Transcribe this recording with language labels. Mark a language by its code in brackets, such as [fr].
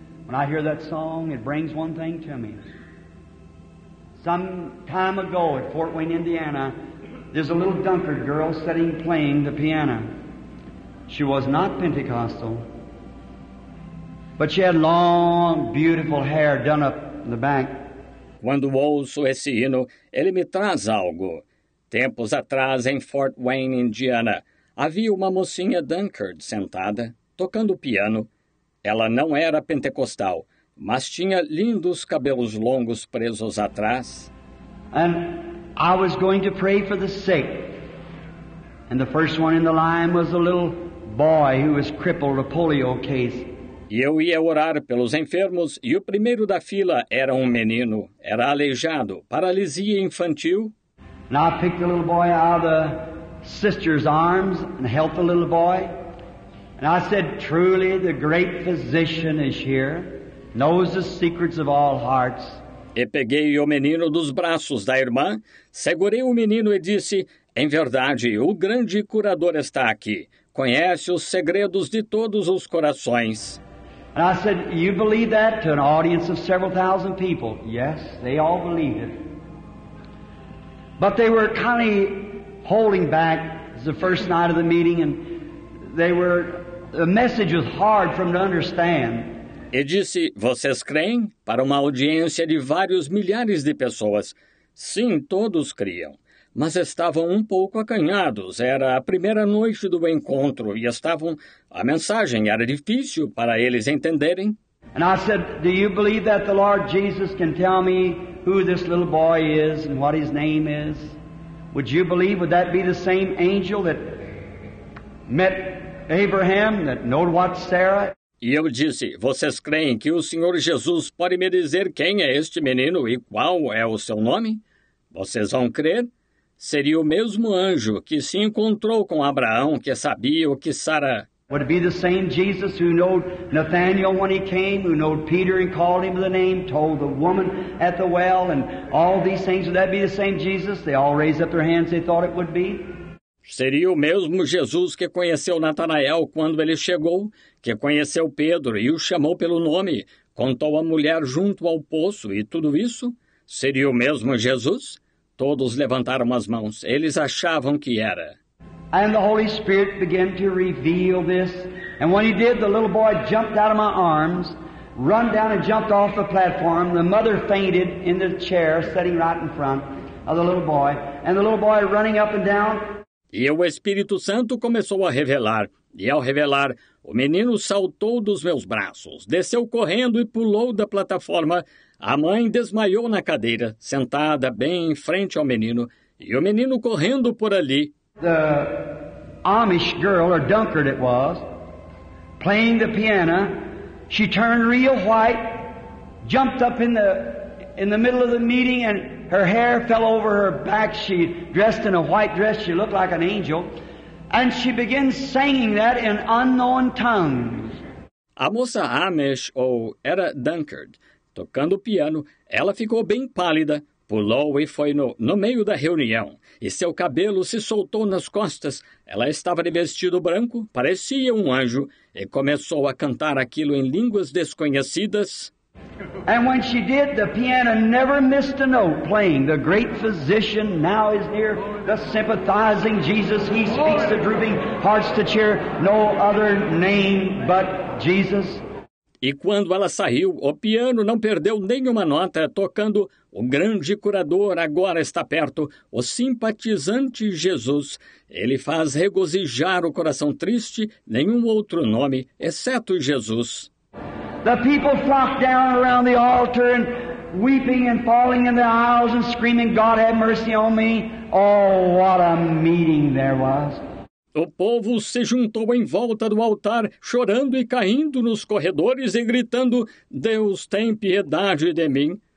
[en] When I hear that song, it brings one thing to me. Some time ago at Fort Wayne, Indiana, there's a little Dunkard girl sitting playing the piano. She was not Pentecostal, but she had long, beautiful hair done up in the back. [pt] Quando ouço esse hino, ele me traz algo. Tempos atrás, em Fort Wayne, Indiana, havia uma mocinha Dunkard sentada, tocando piano. Ela não era pentecostal, mas tinha lindos cabelos longos presos atrás. [en] And I was going to pray for the sick. And the first one in the line was a little boy who was crippled, a polio case. [pt] E eu ia orar pelos enfermos, e o primeiro da fila era um menino. Era aleijado, paralisia infantil. [en] And I picked the little boy out of the sister's arms and helped the little boy. And I said, truly the great physician is here, knows the secrets of all hearts. [pt] E peguei o menino dos braços da irmã, segurei o menino e disse, em verdade, o grande curador está aqui, conhece os segredos de todos os corações. [en] And I said, you believe that to an audience of several thousand people? Yes, they all believed it. But they were kind of holding back. It was the first night of the meeting, and the message was hard for them to understand. [pt] E disse, vocês creem? Para uma audiência de vários milhares de pessoas. Sim, todos criam. Mas estavam um pouco acanhados. Era a primeira noite do encontro e estavam... A mensagem era difícil para eles entenderem. [en] And I said, do you believe that the Lord Jesus can tell me who this little boy is and what his name is? Would you believe, would that be the same angel that met Abraham, that knew what Sarah? [pt] E eu disse, vocês creem que o Senhor Jesus pode me dizer quem é este menino e qual é o seu nome? Vocês vão crer? Seria o mesmo anjo que se encontrou com Abraão, que sabia o que Sara... [en] Would it be the same Jesus who knew Nathanael when he came, who knew Peter and called him by the name, told the woman at the well, and all these things? Would that be the same Jesus? They all raised up their hands, they thought it would be. [pt] Seria o mesmo Jesus que conheceu Natanael quando ele chegou, que conheceu Pedro e o chamou pelo nome, contou a mulher junto ao poço e tudo isso? Seria o mesmo Jesus? Todos levantaram as mãos. Eles achavam que era. [en] And the Holy Spirit began to reveal this. And when he did, the little boy jumped out of my arms, run down and jumped off the platform. The mother fainted in the chair sitting right in front of the little boy. And the little boy running up and down. [pt] E o Espírito Santo começou a revelar. E ao revelar, o menino saltou dos meus braços, desceu correndo e pulou da plataforma. A mãe desmaiou na cadeira, sentada bem em frente ao menino, e o menino correndo por ali. [en] The Amish girl, or Dunkard it was, playing the piano, she turned real white, jumped up in the middle of the meeting, and her hair fell over her back. She dressed in a white dress, she looked like an angel. And she began singing that in unknown tongues. [pt] A moça Amish, ou era Dunkard, tocando piano, ela ficou bem pálida, pulou e foi no meio da reunião. E seu cabelo se soltou nas costas. Ela estava de vestido branco, parecia um anjo, e começou a cantar aquilo em línguas desconhecidas. [en] And when she did, the piano never missed a note playing. The great physician now is near, the sympathizing Jesus. He speaks the drooping hearts to cheer. No other name but Jesus. [pt] E quando ela saiu, o piano não perdeu nenhuma nota, tocando o grande curador agora está perto, o simpatizante Jesus. Ele faz regozijar o coração triste, nenhum outro nome, exceto Jesus. [en] The people flocked down around the altar and weeping and falling in the aisles and screaming, God have mercy on me. Oh, what a meeting there was. [pt] O povo se juntou em volta do altar, chorando e caindo nos corredores e gritando, Deus tem piedade de mim.